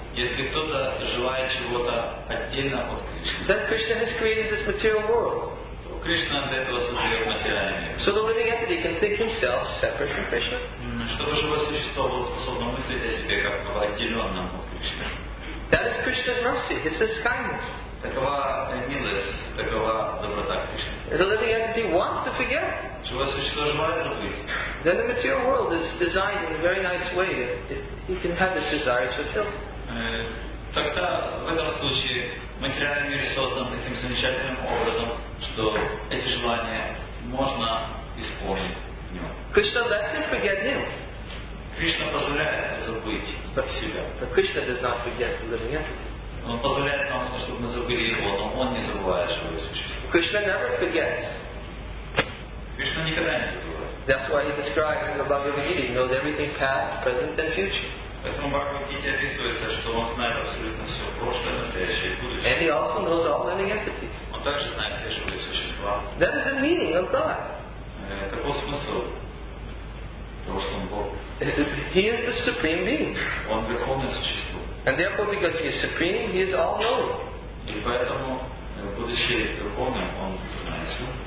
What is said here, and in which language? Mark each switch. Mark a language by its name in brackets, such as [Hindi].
[Russian] если кто-то желает чего-то отдельно от Кришны, [English] then Krishna has created this material world. [Russian] Кришна для этого создает материальный мир. [English] So the living entity can think himself separate from Krishna. [Russian] Чтобы живое существо было способно мыслить о себе как о отделенном от Кришны. [English] That is Krishna's mercy. It's his kindness. [Russian] Такова милость, такова доброта Кришны. [English] The living entity wants to forget. [Russian] Живое существо желает забыть. [English] Then the material world is designed in a very nice way that he can have this desire fulfilled. [Russian] Тогда в этом случае материальный мир создан таким замечательным образом, что эти желания можно исполнить в нем. [English] Krishna lets him forget him. [Russian] Кришна позволяет забыть себя. [English] But Krishna does not forget the living entity. [Russian] Он позволяет нам, чтобы мы забыли его, но он не забывает живое существо. [English] Krishna never forgets. [Russian] Кришна никогда не забывает. [English] That's why he describes in the Bhagavad Gita, he knows everything past, present and future. [Russian] Поэтому Бхагавад Гита описывается, что он знает абсолютно все прошлое, настоящее и будущее. [English] And he also knows all living entities. [Russian] Он также знает все живые существа. [English] That is the meaning of God. [Russian] Это смысл того, что он Бог. [English] He is the supreme being. [Russian] Он верховное существо. [English] And therefore, because he is supreme, he is all knowing. [Russian] И поэтому, будучи верховным, он знает все.